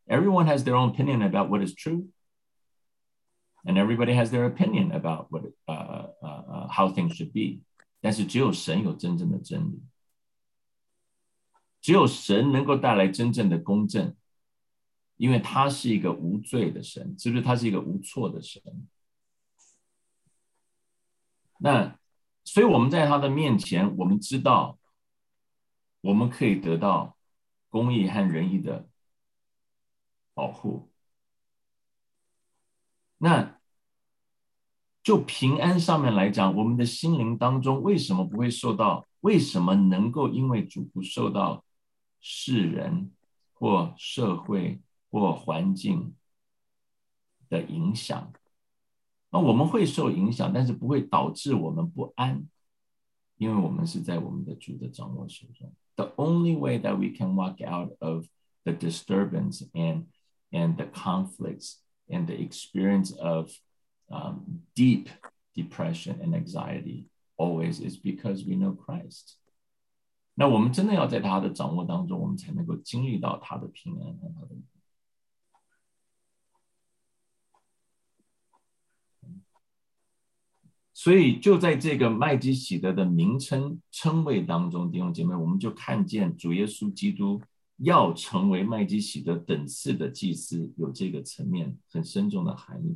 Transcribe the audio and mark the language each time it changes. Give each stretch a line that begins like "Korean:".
English: Everyone has their own opinion about what is true, and everybody has their opinion about how things should be.
Chinese: 但是只有神有真正的真理，只有神能够带来真正的公正，因为他是一个无罪的神，是不是？他是一个无错的神。那所以我们在他的面前，我们知道我们可以得到公义和仁义的保护，那就平安上面来讲，我们的心灵当中为什么不会受到，为什么能够因为主不受到世人或社会或环境的影响？那我们会受影响，但是不会导致我们不安，因为我们是在我们的主的掌握手中。
English: The only way that we can walk out of the disturbance and the conflicts and the experience of deep depression and anxiety always is because we know Christ.
Chinese: 那我们真的要在他的掌握当中，我们才能够经历到他的平安和他的。所以就在这个麦基洗德的名称称谓当中，弟兄姐妹，我们就看见主耶稣基督要成为麦基洗德等次的祭司，有这个层面很深重的含义。